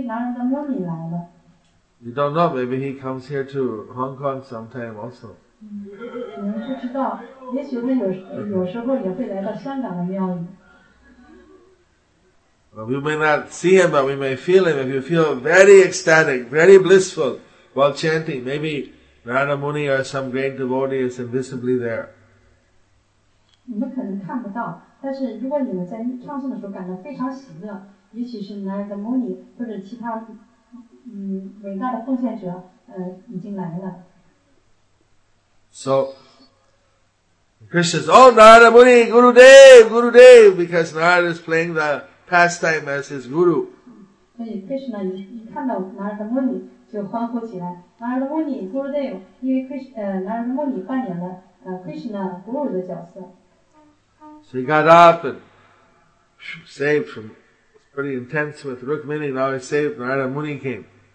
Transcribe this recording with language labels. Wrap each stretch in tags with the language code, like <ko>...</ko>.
<en>You don't know, maybe he comes here to Hong Kong sometime also.</en> <zh>你们不知道，也许他有时候也会来到香港的庙宇。</zh> <en>Well, we may not see him, but we may feel him. If you feel very ecstatic, very blissful while chanting, maybe Narada Muni or some great devotee is invisibly there.</en> <zh>你们可能看不到，但是如果你们在唱诵的时候感到非常喜乐，也许是 Narada Muni 或者其他伟大的奉献者已经来了。</zh> <en>So, Krishna says, "Oh, Narada Muni, Guru Dev, Guru Dev," because Narada is playing the pastime as his guru. So Krishna, he got up and saved from, it's pretty intense with Rukmini, now he's saved, Narada Muni came.</en>